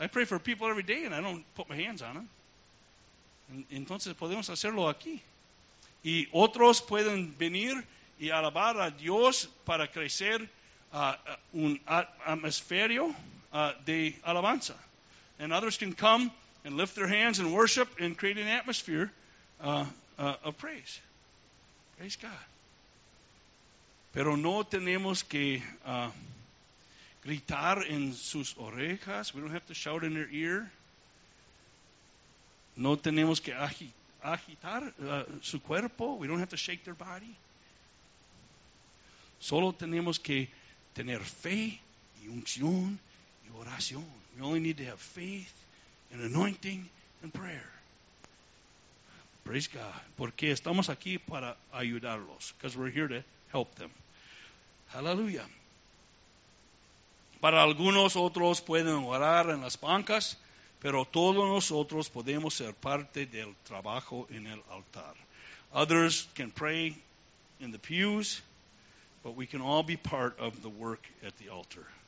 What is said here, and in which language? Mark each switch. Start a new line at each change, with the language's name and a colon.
English: I pray for people every day and I don't put my hands on them.
Spanish: Entonces podemos hacerlo aquí. y otros pueden venir y alabar a Dios para crecer un atmosferio de alabanza.
English: And others can come and lift their hands and worship and create an atmosphere of praise. Praise God.
Spanish: Pero no tenemos que gritar en sus orejas.
English: We don't have to shout in their ear.
Spanish: No tenemos que agitar su cuerpo.
English: We don't have to shake their body.
Spanish: Solo tenemos que tener fe y unción y oración.
English: We only need to have faith and anointing and prayer. Praise God.
Spanish: Porque estamos aquí para ayudarlos.
English: Because we're here to help them. Hallelujah.
Spanish: Para algunos otros pueden orar en las bancas, pero todos nosotros podemos ser parte del trabajo en el altar.
English: Others can pray in the pews, but we can all be part of the work at the altar.